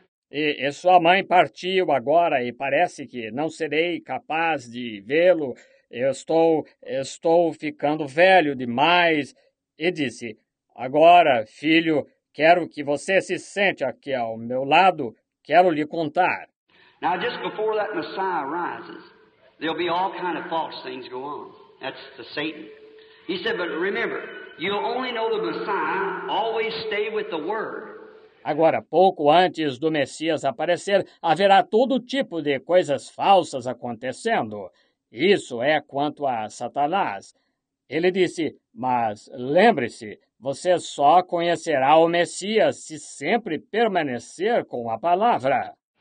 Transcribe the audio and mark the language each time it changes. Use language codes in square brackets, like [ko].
[pt] E sua mãe partiu agora e parece que não serei capaz de vê-lo. Eu estou ficando velho demais. e disse: Agora, filho, quero que você se sente aqui ao meu lado, quero lhe contar. [en] Now, just before that Messiah rises, there'll be all kind of false things go on. That's the Satan. He said, but remember, you'll only know the Messiah, always stay with the Word. [pt] Agora, pouco antes do Messias aparecer, haverá todo tipo de coisas falsas acontecendo. Isso é quanto a Satanás. Ele disse, mas lembre-se, você só conhecerá o Messias se sempre permanecer com a palavra.